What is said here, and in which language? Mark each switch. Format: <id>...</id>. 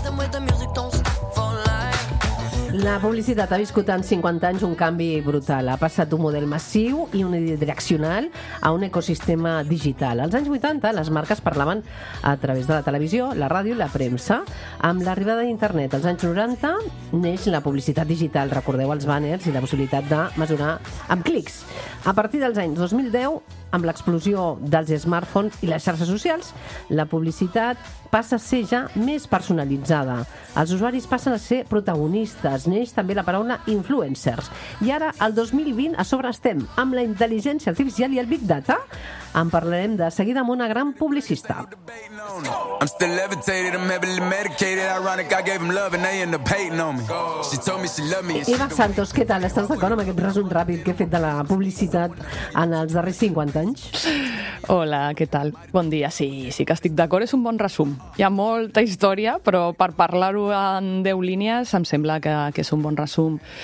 <en>The music don't stop for life.</en> <ca>La publicitat ha viscut en 50 anys un canvi brutal. Ha passat d'un model massiu i unidireccional a un ecosistema digital. Als anys 80, les marques parlaven a través de la televisió, la ràdio i la premsa. Amb l'arribada d'internet, als anys 90, neix la publicitat digital. Recordeu els banners i la possibilitat de mesurar amb clics. A partir dels anys 2010, amb l'explosió dels smartphones i les xarxes socials, la publicitat passa a ser ja més personalitzada. Els usuaris passen a ser protagonistes. Neix també la paraula influencers. I ara, el 2020, a sobre estem amb la intel·ligència artificial i el Big Data. En parlarem de seguida amb una gran publicista.</ca> <en>I'm still levitated, I'm heavily medicated. Ironic, I gave them love and they end up hating on me. She told me she loved me. Eva Santos,</en> <ca>què tal? Estàs d'acord amb aquest resum ràpid que he fet de la publicitat en els darrers 50 anys? Hola, què tal? Bon dia. Sí, sí que estic d'acord. És un bon resum. Hi ha molta història, però per parlar-ho en 10 línies em sembla que és un bon resum.</ca>